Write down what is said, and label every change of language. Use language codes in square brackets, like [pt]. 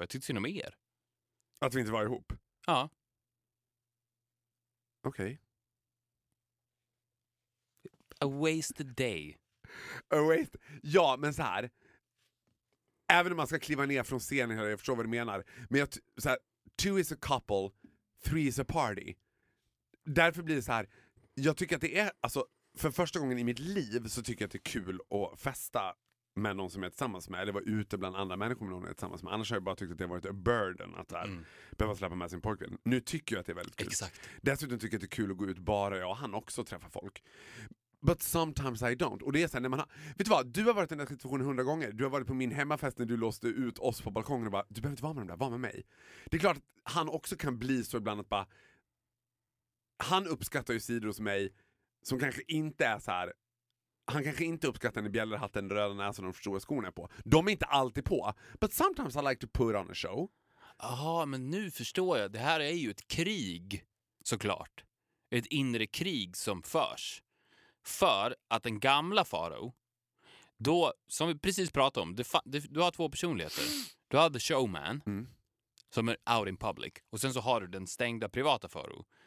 [sv] Jag tyckte synd om er. Att vi inte var ihop? Ja. Okej. [en] Okay. A wasted day. A waste. [sv] Ja, men så här. Även om man ska kliva ner från scenen här, jag förstår vad du menar. Men jag, så här, [en] two is a couple, three is a party. [sv] Därför blir det så här. Jag tycker att det är, alltså, för första gången i mitt liv så tycker jag att det är kul att festa med någon som är tillsammans med. Eller vara ute bland andra människor med någon är tillsammans med. Annars har jag bara tyckt att det har varit [en] a burden [sv] att här, behöva släppa med sin pojkvän. Nu tycker jag att det är väldigt kul. Exakt. Dessutom tycker jag att det är kul att gå ut bara jag och han också och träffa folk. [en] But sometimes I don't. [sv] Och det är så här, när man har, vet du vad, du har varit i den här situationen 100 gånger. Du har varit på min hemmafest när du låste ut oss på balkongen och bara, du behöver inte vara med dem där, var med mig. Det är klart att han också kan bli så ibland att bara, han uppskattar ju sidor hos mig som kanske inte är så här. Han kanske inte uppskattar när bjällerhatten, röda näsan och de stora skorna är på. De är inte alltid på. [en] But sometimes I like to put on a show. [sv] Jaha, men nu förstår jag. Det här är ju ett krig, såklart. Ett inre krig som förs. För att den gamla faro, då, som vi precis pratade om, du har två personligheter. Du har [en] the showman, [sv] som är [en] out in public. [sv] Och sen så har du den stängda privata faro.